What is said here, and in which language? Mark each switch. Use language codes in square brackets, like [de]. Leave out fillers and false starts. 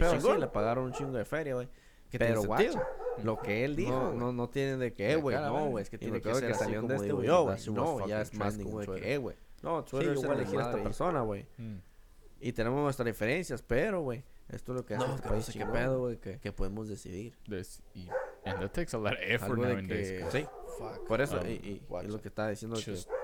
[es] Chappell, sí, le pagaron un chingo de feria, güey. Pero, guacho, lo que él dijo, no tiene de qué, güey. No, güey, es que tiene que ser así como de este, yo, güey. No, ya es más como de qué, güey. No, tú eres igual elegir a esta persona, güey. Y tenemos nuestras diferencias, pero, güey, esto es lo que hace este país. ¿Qué pedo, güey? Que podemos decidir. [en] And that takes a lot of effort nowadays. [es] Sí, por eso, y lo que estaba diciendo que...